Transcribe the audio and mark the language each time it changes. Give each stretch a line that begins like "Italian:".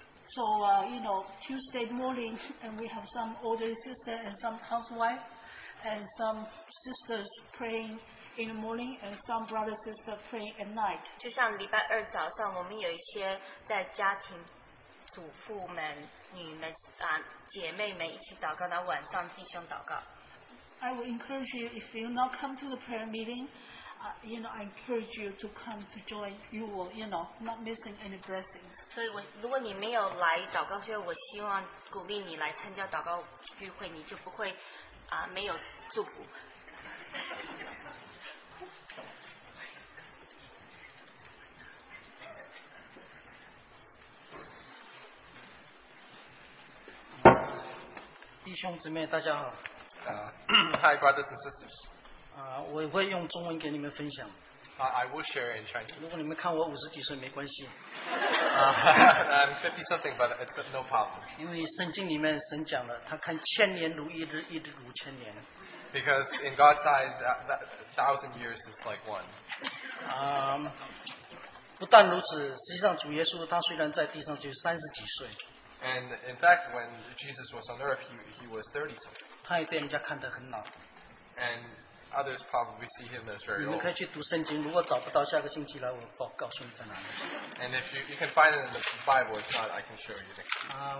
English: So, you know, Tuesday morning, and we have some older sister and some housewife, and some sisters praying in the morning, and some brother sister praying at night.
Chinese: 就像礼拜二早上，我们有一些在家庭主妇们、女们、姐妹们一起祷告，然后晚上弟兄祷告。
English: I would encourage you, if you not come to the prayer meeting, you know, I encourage you to come to join. You will, you know, not missing any blessing.
Chinese: 所以如果你没有来祷告会，我希望鼓励你来参加祷告聚会，你就不会 没有祝福。弟兄姊妹，大家好。
English: Hi, brothers and sisters.
Chinese: 我会用中文给你们分享。
English: I will share in Chinese.
Chinese: 如果你们看我五十几岁没关系。
English: I'm 50 something, but it's no problem.
Chinese: 因为圣经里面神讲了，他看千年如一日，一日如千年。
English: Because in God's eyes, that 1,000 years is like one.
Chinese: 不但如此，实际上主耶稣他虽然在地上就三十几岁。
English: And in fact, when Jesus was on earth, he was 30 something.
Chinese: 他也被人家看得很老。
English: And others probably see him as very old.
Chinese: 你们可以去读圣经，如果找不到，下个星期来我告诉你在哪里。
English: And if you can find it in the Bible, if not, I can show you next week.